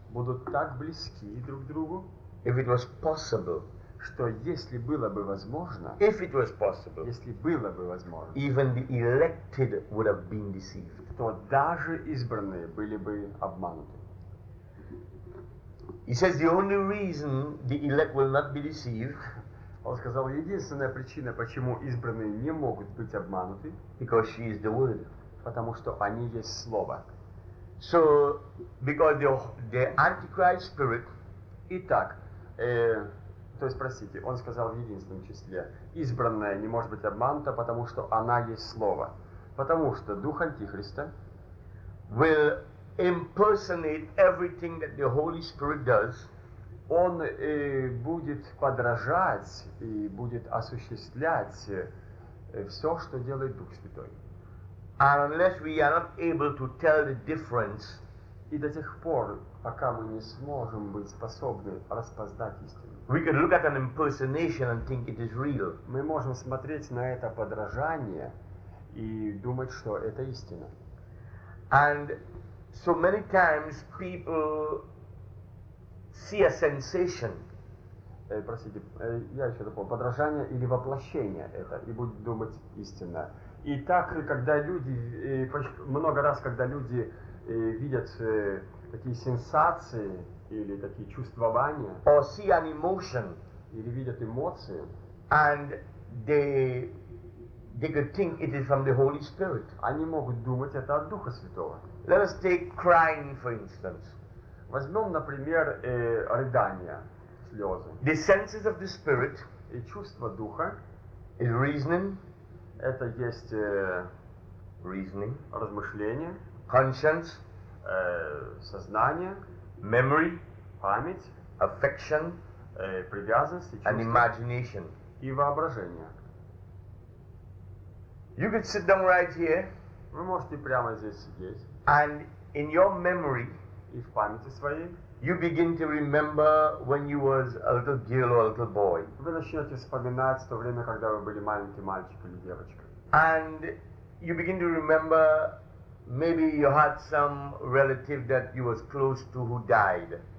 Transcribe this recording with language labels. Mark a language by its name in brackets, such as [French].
[Russian] будут так близки друг к другу, [English] if it was possible. [Russian] Что если было бы возможно, [English] if it was possible, [Russian] если было бы возможно, [English] even the elected would have been deceived, [Russian] то даже избранные были бы обмануты. [English] He says the only reason the elect will not be deceived, [Russian] он сказал, единственная причина, почему избранные не могут быть обмануты, [English] because she is the word, [Russian] потому что они есть слово. [English] So because the Antichrist spirit, [Russian] итак, то есть, простите, он сказал в единственном числе, избранная не может быть обманута, потому что она есть слово. Потому что Дух Антихриста [English] will impersonate everything that the Holy Spirit does, [Russian] он будет подражать и будет осуществлять все, что делает Дух Святой. [English] And unless we are not able to tell the difference [Russian] И до тех пор, пока мы не сможем быть способны распознать истину. [English] We can look at an impersonation and think it is real. [Russian] Мы можем смотреть на это подражание и думать, что это истина. [English] And so many times people see a sensation. [Russian] Простите, я еще дополню. Подражание или воплощение это, и будут думать истина. И так, когда люди, много раз, когда люди видят такие сенсации или такие чувствования, [English] or see an emotion, [Russian] или видят эмоции, [English] and they could think it is from the Holy Spirit. [Russian] Они могут думать это от Духа Святого. [English] Let us take crying, for instance. [Russian] Возьмем, например, рыдание, слезы. [English] The senses of the Spirit, [Russian] и чувства Духа, [English] is reasoning. [Russian] Это есть [English] reasoning, [Russian] размышление, [English] conscience, [Russian] сознание, [English] memory, [Russian] память, [English] affection, [Russian] привязанность, и чувства, [English] and imagination, [Russian] и воображение. [English] You could sit down right here. [Russian] Вы можете прямо здесь сидеть. [English] And in your memory, [Russian] и в памяти своей, [English] you begin to remember when you was a little girl or a little boy. [Russian] Вы начнете вспоминать то время, когда вы были маленьким мальчиком или девочкой. [English] And you begin to remember maybe you had some relative that you was close to who died.